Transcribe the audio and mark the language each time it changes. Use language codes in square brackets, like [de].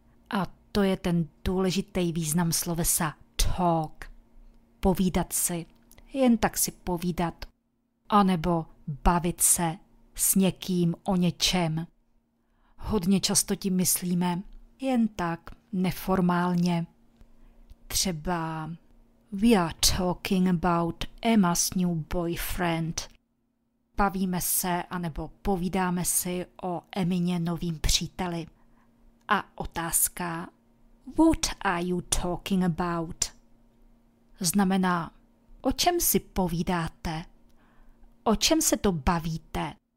[cs] A to je ten důležitý význam slovesa talk. Povídat si, jen tak si povídat. A nebo bavit se s někým o něčem. Hodně často tím myslíme, jen tak, neformálně. Třeba [en] we are talking about Emma's new boyfriend. [cs] Bavíme se, anebo povídáme si o Emině novým příteli. A otázka, [en] what are you talking about? [cs] Znamená, o čem si povídáte? O čem se to bavíte?